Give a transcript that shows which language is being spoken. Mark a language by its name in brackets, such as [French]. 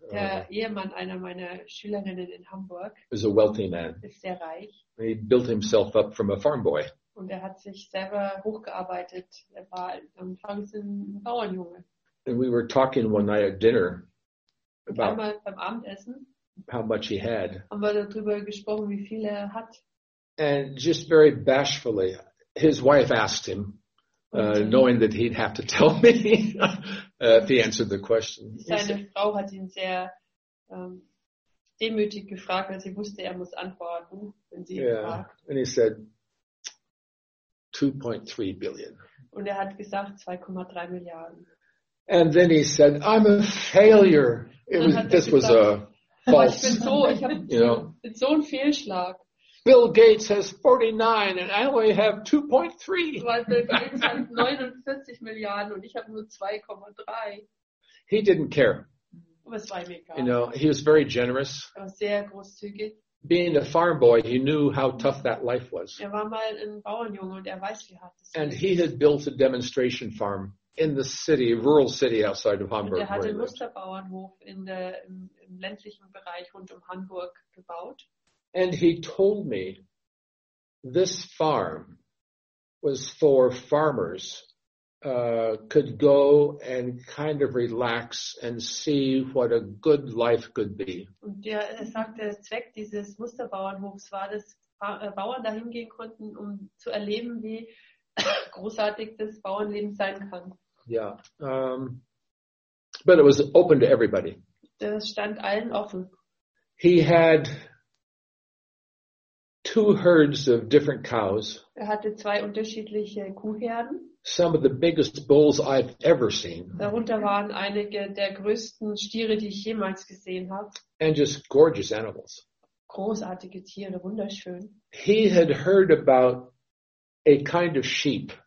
[German] Der Ehemann einer meiner Schülerinnen in Hamburg. [English] Is a wealthy man. [German] Ist sehr reich. [English] He built himself up from a farm boy. [German] Und er hat sich selber hochgearbeitet. Er war anfangs ein Bauernjunge. [English] And we were talking one night at dinner about [German] einmal beim Abendessen. [English] How much he had. [German] Haben wir darüber gesprochen, wie viel er hat. [English] And just very bashfully, his wife asked him, knowing that he'd have to tell me if he answered the question. [German] Seine Frau hat ihn sehr demütig gefragt, weil sie wusste, er muss antworten, wenn sie ihn fragt. [English] And he said, 2.3 billion. [German] Und er hat gesagt, 2,3 Milliarden. [English] And then he said, I'm a failure. Was a false. [German] Bin so ein Fehlschlag. [English] Bill Gates has 49 and I only have 2.3. [German] Weil Bill Gates hat 49 Milliarden und ich habe nur 2,3. [English] He didn't care. [German] Aber es war ihm egal. [English] You know, he was very generous. [German] Er war sehr großzügig. [English] Being a farm boy, he knew how tough that life was. [German] Er war mal ein Bauernjunge und er weiß, wie hart es ist. [English] And he had built a demonstration farm in the city, rural city outside of Hamburg. [German] Er hatte einen Musterbauernhof in der im ländlichen Bereich rund um Hamburg gebaut. [English] And he told me this farm was for farmers could go and kind of relax and see what a good life could be. [German] Und er sagte, der Zweck dieses Musterbauernhofs war, dass Bauern dahin gehen konnten, um zu erleben, wie großartig das Bauernleben sein kann. [English] Yeah. But it was open to everybody. [German] Das stand allen offen. [English] He had two herds of different cows. [German] Er hatte zwei unterschiedliche Kuhherden. [English] Some of the biggest bulls I've ever seen. [German] Darunter waren einige der größten Stiere, die ich jemals gesehen habe. [English] And just gorgeous animals. [German] Großartige Tiere, wunderschön. [English] He had heard about a kind of sheep.